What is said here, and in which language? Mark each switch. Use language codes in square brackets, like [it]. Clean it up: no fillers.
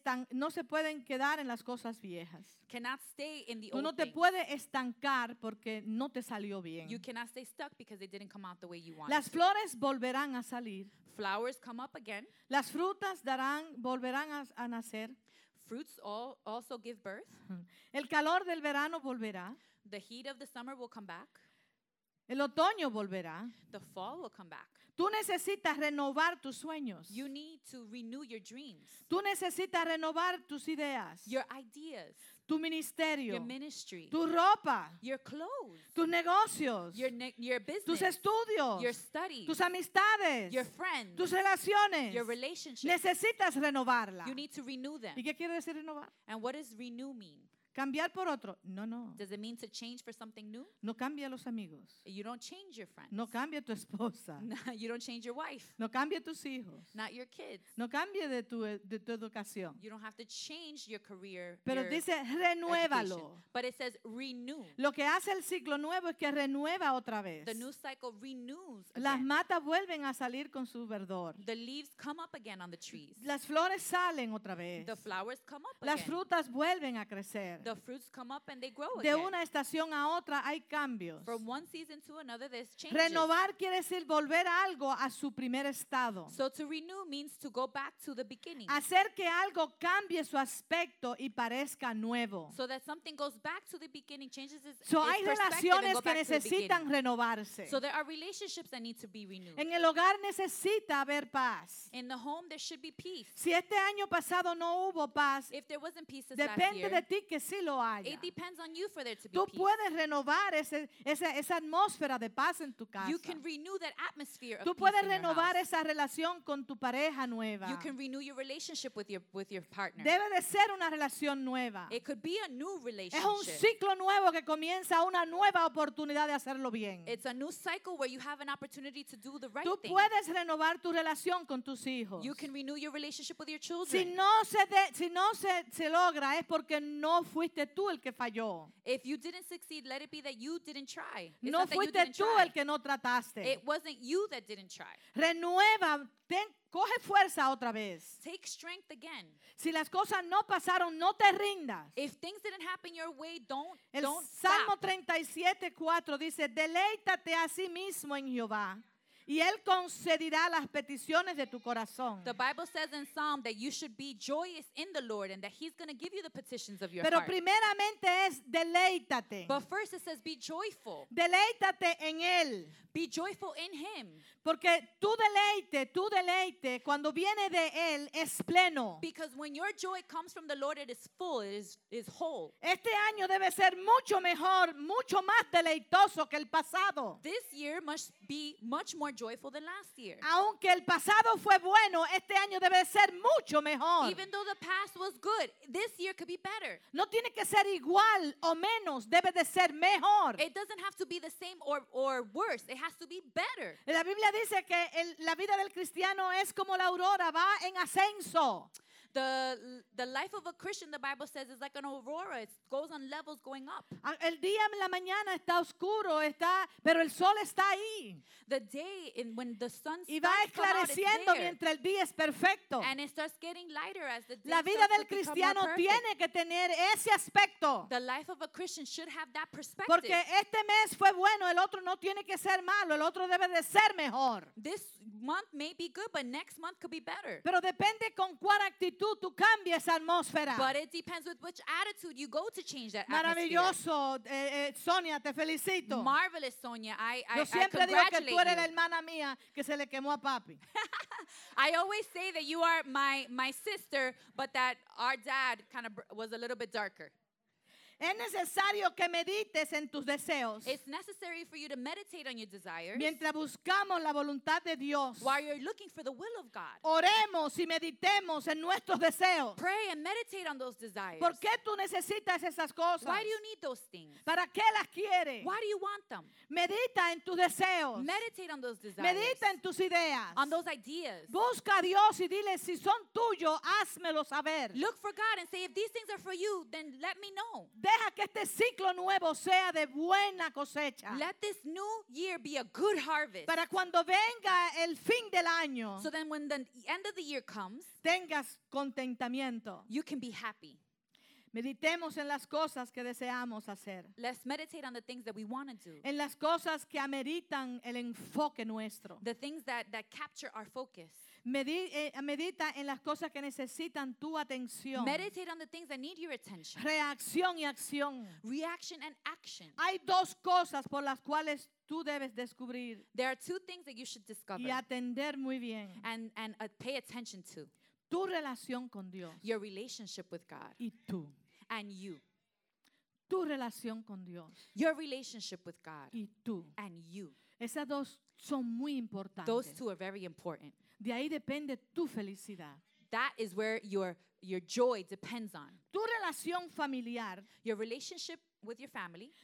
[es] no se pueden quedar en las cosas viejas. [en] Cannot stay in the old. [es] Uno te puede estancar porque no te salió bien. [en] You cannot stay stuck because it didn't come out the way you wanted. [es] Las flores volverán a salir. [en] Flowers come up again. [es] Las frutas volverán a nacer. [en] Fruits all also give birth. [es] El calor del verano volverá. [en] The heat of the summer will come back. [es] El otoño volverá. [en] The fall will come back. [es] Tú necesitas renovar tus sueños. [en] You need to renew your dreams. [es] Tú necesitas renovar tus ideas. [en] Your ideas. [es] Tu ministerio. [en] Your ministry. [es] Tu ropa. [en] Your clothes. [es] Tus negocios. [en] Your business. [es] Tus estudios. [en] Your studies. [es] Tus amistades. [en] Your friends. [es] Tus relaciones. [en] Your relationships. [es] Necesitas renovarla. [en] You need to renew them. [es] ¿Y qué quiere decir renovar? [en] And what does renew mean? [es] ¿Cambiar por otro? No, no. [en] Does it mean to change for something new? [es] No cambia los amigos. [en] You don't change your friends. [es] No cambia tu esposa. [en] You don't change your wife. [es] No cambia tus hijos. [en] Not your kids. [es] No cambia de tu educación. [en] You don't have to change your career. [es] Pero [en] your [es] dice, renuévalo. [en] Education. But it says renew. [es] Lo que hace el ciclo nuevo es que renueva otra vez. [en] The new cycle renews again. [es] Las matas vuelven a salir con su verdor. [en] The leaves come up again on the trees. [es] Las flores salen otra vez. [en] The flowers come up again. [es] Las frutas vuelven a crecer. [en] The fruits come up and they grow again. [es] De una estación a otra hay cambios. [en] From one season to another, there's changes. [es] Renovar quiere decir volver algo a su primer estado. [en] So to renew means to go back to the beginning. [es] Hacer que algo cambie su aspecto y parezca nuevo. [en] So that something goes back to the beginning, changes its perspective. [es] So hay relaciones que necesitan renovarse. [en] So there are relationships that need to be renewed. [es] En el hogar necesita haber paz. [en] In the home there should be peace. [es] Si este año pasado no hubo paz, [en] if there wasn't peace this last year, [es] depende de ti que sí lo haya. [en] It depends on you for there to be [es] tú [en] peace. [es] Puedes renovar esa atmósfera de paz en tu casa. [en] You can renew that atmosphere of [es] tú puedes renovar esa relación con tu pareja nueva. [en] You can renew your relationship with your partner. [es] Debe de ser una relación nueva. [en] It could be a new relationship. [es] Es un ciclo nuevo que comienza una nueva oportunidad de hacerlo bien. [en] It's a new cycle where you have an opportunity to do the right [es] tú [en] thing. [es] Tú puedes renovar tu relación con tus hijos. [en] You can renew your relationship with your children. [es] Si no se logra es porque no fuiste tú el que falló. [en] If you didn't succeed, let it be that you didn't try. It's [es] no fuiste tú el que no trataste. [en] It wasn't you that didn't try. [es] Renueva, coge fuerza otra vez. [en] Take strength again. [es] Si las cosas no pasaron, no te rindas. [en] If things didn't happen your way, don't stop. [es] El Salmo 37:4 dice, deleítate a sí mismo en Jehová. Y Él concederá las peticiones de tu corazón. [en] The Bible says in Psalm that you should be joyous in the Lord and that He's going to give you the petitions of your [es] pero [en] heart. [es] Pero primeramente es deleítate. [en] But first it says be joyful. [es] Deleítate en Él. [en] Be joyful in Him. [es] Porque tu deleite, cuando viene de Él, es pleno. [en] Because when your joy comes from the Lord, it is full, it is whole. [es] Este año debe ser mucho mejor, mucho más deleitoso que el pasado. [en] This year must be much more joyful than last year. [es] Aunque el pasado fue bueno, este año debe ser mucho mejor. [en] Even though the past was good, this year could be better. [es] No tiene que ser igual o menos, debe de ser mejor. [en] It doesn't have to be the same or worse. It has to be better. [es] La Biblia dice que la vida del cristiano es como la aurora, va en ascenso. [en] The life of a Christian, the Bible says, is like an aurora. It goes on levels going up. [es] El día en la mañana está oscuro, está, pero el sol está ahí. [en] The day when the sun starts [es] y va esclareciendo mientras el día es perfecto. [en] And it starts getting lighter as the day. [es] La vida del cristiano tiene que tener ese aspecto. [en] The life of a Christian should have that perspective. [es] Porque este mes fue bueno, el otro no tiene que ser malo, el otro debe de ser mejor. [en] This month may be good, but next month could be better. [es] Pero depende con cuál actitud tú cambias atmósfera. [en] But it depends with which attitude you go to change that atmosphere. [es] Maravilloso, Sonia, te felicito. [en] Marvelous, Sonia. [es] Yo siempre digo que tú eres la hermana mía que se le quemó a papi. [en] I always say that you are my sister, but that our dad kind of was a little bit darker. [es] Es necesario que medites en tus deseos. [en] It's necessary for you to meditate on your desires. [es] Mientras buscamos la voluntad de Dios. [en] While you're looking for the will of God. [es] Oremos y meditemos en nuestros deseos. [en] Pray and meditate on those desires. [es] ¿Por qué tú necesitas esas cosas? [en] Why do you need those things? [es] ¿Para qué las quieres? [en] Why do you want them? [es] Medita en tus deseos. [en] Meditate on those desires. [es] Medita en tus ideas. [en] On those ideas. [es] Busca a Dios y dile si son tuyos, házmelo saber. [en] Look for God and say if these things are for you, then let me know. [es] Deja que este ciclo nuevo sea de buena cosecha. [en] Let this new year be a good harvest. [es] Para cuando venga el fin del año. [en] So then when the end of the year comes. [es] Tengas contentamiento. [en] You can be happy. [es] Meditemos en las cosas que deseamos hacer. [en] Let's meditate on the things that we want to do. [es] En las cosas que ameritan el enfoque nuestro. [en] The things that capture our focus. [es] Medita en las cosas que necesitan tu atención. [en] Meditate on the things that need your attention. [es] Reacción y acción. [en] Reaction and action. [es] Hay dos cosas por las cuales tú debes descubrir. [en] There are two things that you should discover. [es] Y atender muy bien. [en] And pay attention to. [es] Tu relación con Dios. [en] Your relationship with God. [es] Y tú. [en] And you. [es] Tu relación con Dios. [en] Your relationship with God. [es] Y tú. [en] And you. [es] Esas dos son muy importantes. [en] Those two are very important. [es] De ahí depende tu felicidad. [en] That is where your joy depends on. [es] Tu relación familiar. [en] Your relationship with your family.